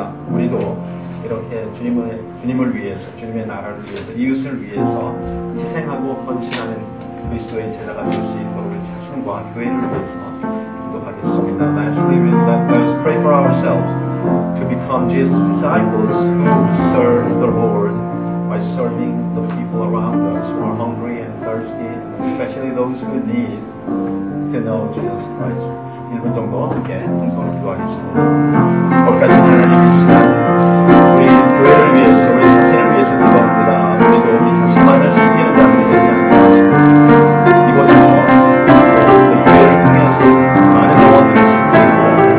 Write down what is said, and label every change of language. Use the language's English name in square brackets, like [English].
[Korean] 우리도 이렇게 주님을 위해서, 주님의 나라를 위해서, 이웃을 위해서 희생하고 헌신하는 그리스도의 제자가 될 수 있도록 우리 자신과 교회를 위해서 기도하겠습니다. [English] Actually, let's pray for ourselves to become Jesus' disciples who serve the Lord by serving the people around us who are hungry and thirsty, especially those who need to know Jesus Christ. [Korean] 1분 정도 함께 통성을 기도하겠습니다. 거기까지 하나님이십니다. 우리 교회를 위해서, 우리 자신을 위해서 기도합니다. 우리도 우리 자신만을 섬기는 자들이 되지 않을까 싶습니다.